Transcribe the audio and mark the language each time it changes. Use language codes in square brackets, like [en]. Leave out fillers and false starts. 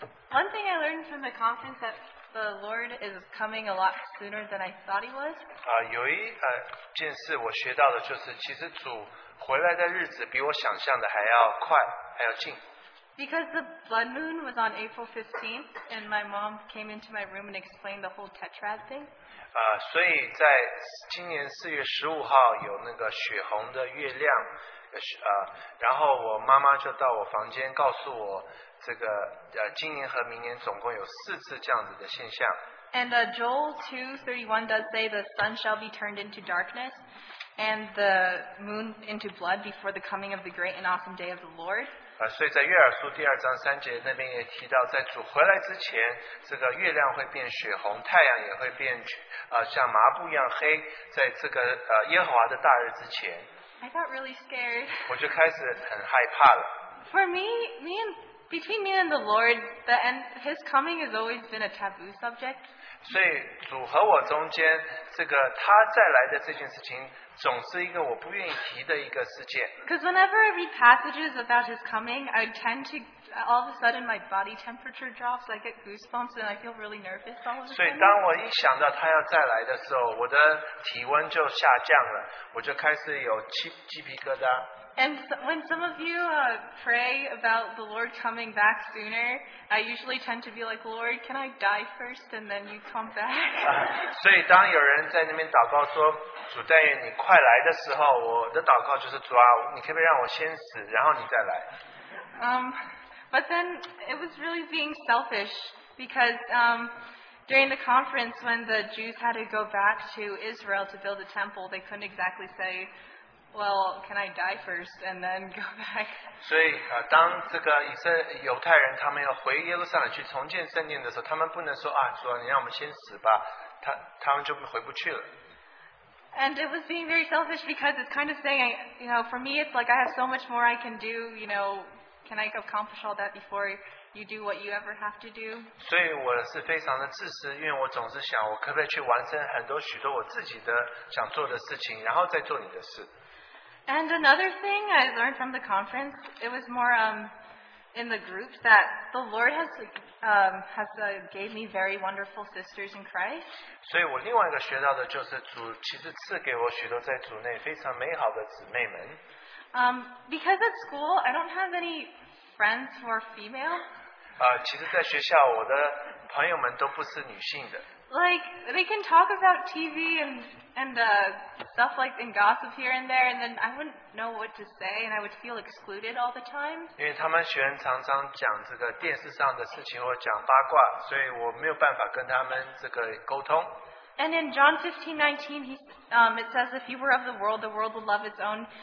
[en] One thing I learned from the conference that the Lord is coming a lot sooner than I thought He was. [zh] 有一件事我学到的就是，其实主回来的日子比我想象的还要快，还要近。 [en] Because the blood moon was on April 15th, and my mom came into my room and explained the whole tetrad thing. [zh] 所以在今年四月十五号有那个血红的月亮，然后我妈妈就到我房间告诉我这个今年和明年总共有四次这样子的现象。 [en] And Joel 2:31 does say the sun shall be turned into darkness, and the moon into blood before the coming of the great and awesome day of the Lord. [zh] 所以在约珥书第二章三节那边也提到，在主回来之前，这个月亮会变血红，太阳也会变像麻布一样黑，在这个耶和华的大日之前。 [en] I got really scared. [zh] 我就开始很害怕了。 [en] For me and between me and the Lord, the end, His coming has always been a taboo subject. [zh] 所以主和我中间，这个他再来的这件事情。总是一个我不愿意提的一个事件。 [en] Because whenever I read passages about his coming, I tend to all of a sudden my body temperature drops, I get goosebumps, and I feel really nervous all of a sudden. [zh] 所以当我一想到他要再来的时候，我的体温就下降了，我就开始有鸡皮疙瘩。 [en] And so, when some of you pray about the Lord coming back sooner, I usually tend to be like, Lord, can I die first and then you come back? [zh] 所以当有人在那边祷告说，主但愿你快来的时候，我的祷告就是主啊，你可不可以让我先死，然后你再来。 [en] But then it was really being selfish because during the conference when the Jews had to go back to Israel to build a temple, they couldn't exactly say,Well, can I die first and then go back? [zh] 所以当这个以色列犹太人他们要回耶路撒冷去重建圣殿的时候，他们不能说啊，主啊，你让我们先死吧，他们就回不去了。 [en] And it was being very selfish because it's kind of saying, you know, for me, it's like I have so much more I can do. You know, can I accomplish all that before you do what you ever have to do? [zh] 所以我是非常的自私，因为我总是想，我可不可以去完成很多许多我自己的想做的事情，然后再做你的事。 [en] And another thing I learned from the conference, it was more in the group that the Lord has gave me very wonderful sisters in Christ. [zh] 所以我另外一个学到的就是主其实赐给我许多在主内非常美好的姊妹们。 [en] Because at school I don't have any friends who are female. [zh] 其实在学校我的朋友们都不是女性的。 [en] like they can talk about TV and stuff like and gossip here and there, and then I wouldn't know what to say, and I would feel excluded all the time. [zh] 因为他们喜欢常常讲这个电视上的事情或讲八卦，所以我没有办法跟他们这个沟通。 [en] And in John 15:19, it says, "If you were of the world would love its own.